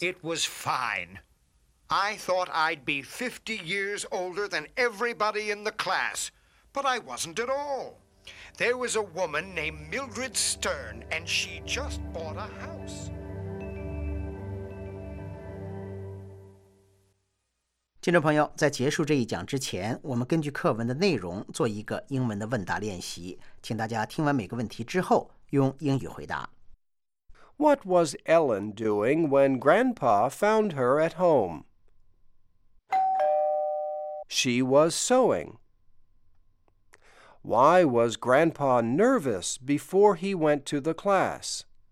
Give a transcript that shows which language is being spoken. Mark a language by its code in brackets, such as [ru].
[en] It was fine. I thought I'd be 50 years older than everybody in the class, but I wasn't at all. There was a woman named Mildred Stern, and she just bought a house. [zh] 听众朋友，在结束这一讲之前，我们根据课文的内容做一个英文的问答练习，请大家听完每个问题之后用英语回答。 [en] What was Ellen doing when Grandpa found her at home? She was sewing. Why was Grandpa nervous before he went to the class?